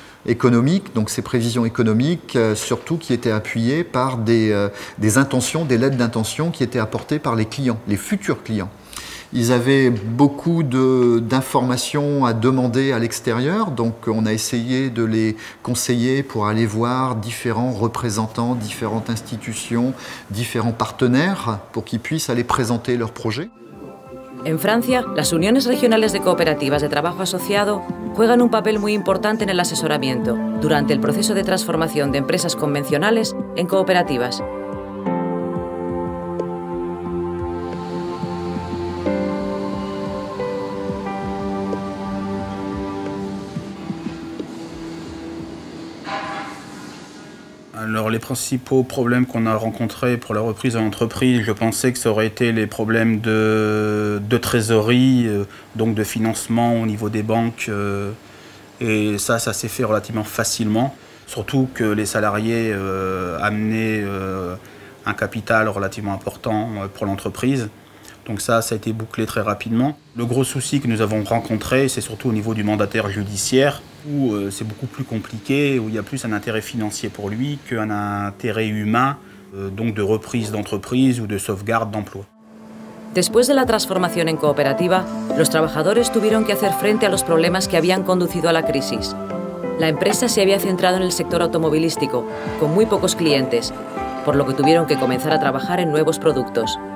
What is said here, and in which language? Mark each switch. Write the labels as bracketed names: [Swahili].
[French] Économique, donc ces prévisions économiques, surtout qui étaient appuyées par des intentions, des lettres d'intention qui étaient apportées par les clients, les futurs clients. Ils avaient beaucoup d'informations à demander à l'extérieur, donc on a essayé de les conseiller pour aller voir différents représentants, différentes institutions, différents partenaires pour qu'ils puissent aller présenter leurs projets. [Spanish] En Francia, las uniones regionales de cooperativas de trabajo asociado juegan un papel muy importante en el asesoramiento durante el proceso de transformación de empresas convencionales en cooperativas. [French] Alors les principaux problèmes qu'on a rencontrés pour la reprise de l'entreprise, je pensais que ça aurait été les problèmes de trésorerie, donc de financement au niveau des banques. Et ça, ça s'est fait relativement facilement. Surtout que les salariés amenaient un capital relativement important pour l'entreprise. Donc ça, ça a été bouclé très rapidement. Le gros souci que nous avons rencontré, c'est surtout au niveau du mandataire judiciaire, où c'est beaucoup plus compliqué, où il y a plus un intérêt financier pour lui qu'un intérêt humain, donc de reprise d'entreprise ou de sauvegarde d'emploi. [Spanish] Después de la transformación en cooperativa, los trabajadores tuvieron que hacer frente a los problemas que habían conducido a la crisis. La empresa se había centrado en el sector automovilístico, con muy pocos clientes, por lo que tuvieron que comenzar a trabajar en nuevos productos.